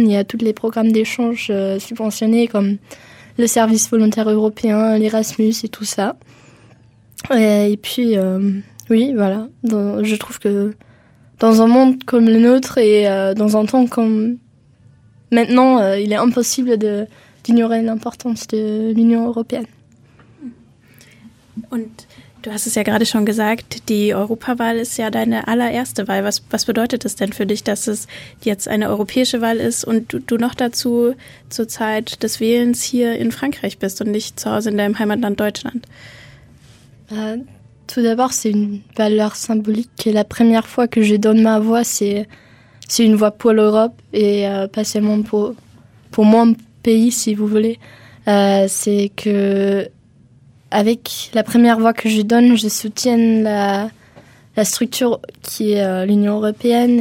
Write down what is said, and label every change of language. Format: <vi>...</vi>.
<fr>Il y a tous les programmes d'échange subventionnés comme le service volontaire européen, l'Erasmus et tout ça. Je trouve que dans un monde comme le nôtre et dans un temps comme maintenant, il est impossible d'ignorer l'importance de l'Union européenne.</fr> <de>Und du hast es ja gerade schon gesagt, die Europawahl ist ja deine allererste Wahl. Was bedeutet es denn für dich, dass es jetzt eine europäische Wahl ist und du noch dazu zur Zeit des Wählens hier in Frankreich bist und nicht zu Hause in deinem Heimatland Deutschland?</de> <fr>Tout d'abord, c'est une valeur symbolique. Et la première fois que je donne ma voix, c'est une voix pour l'Europe et pas seulement pour mon pays, si vous voulez. C'est que avec la première voix que je donne, je soutiens la structure qui est l'Union européenne.</fr>